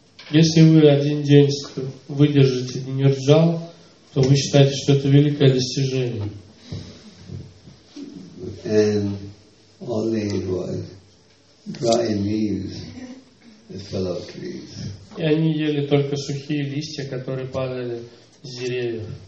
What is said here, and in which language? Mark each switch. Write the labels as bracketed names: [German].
[Russian] Если вы один день выдержите Ниниржал, то вы считаете, что это великое достижение. [English] And all they ate was dry leaves that fell off trees. [Russian] И они ели только сухие листья, которые падали с деревьев.